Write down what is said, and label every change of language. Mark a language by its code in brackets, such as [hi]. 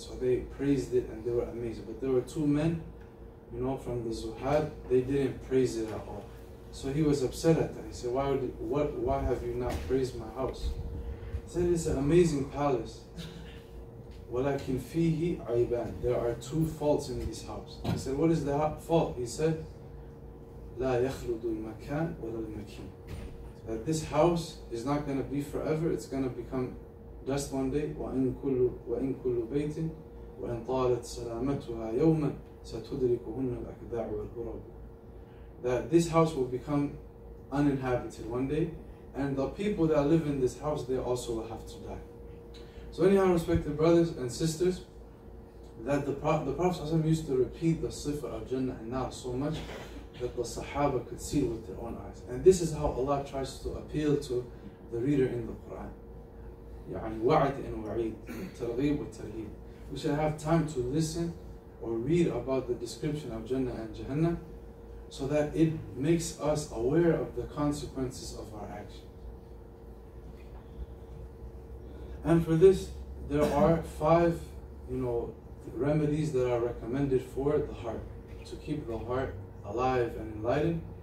[en] So they praised it and they were amazed. But there were two men, you know, from the Zuhad, they didn't praise it at all. So he was upset at that. He said, why have you not praised my house? He said, it's an amazing palace. [ar] وَلَكِنْ فِيهِ عَيْبَانِ. [en] There are two faults in this house. He said, what is the fault? He said, [ar] لَا يَخْلُدُ الْمَكَانِ وَلَا الْمَكِينِ. [en] That this house is not going to be forever, it's going to become dust one day. [ar] وَإِنْ كُلُّ بَيْتٍ وَإِنْ طَالَتْ سَلَامَتُهَا يَوْمًا سَتُدْرِكُهُنَّ الْأَكْدَاعُ وَالْغُرَبُ. [en] That this house will become uninhabited one day, and the people that live in this house, they also will have to die. So anyhow, respected brothers and sisters, that the Prophet ﷺ used to repeat the sifa of Jannah and Nar so much that the Sahaba could see with their own eyes. And this is how Allah tries to appeal to the reader in the Quran. [ar] يعني وعد and وعيد, ترغيب وترهيب. [en] We should have time to listen or read about the description of Jannah and Jahannam so that it makes us aware of the consequences of our actions. And for this, there are five, you know, remedies that are recommended for the heart, to keep the heart alive and enlightened.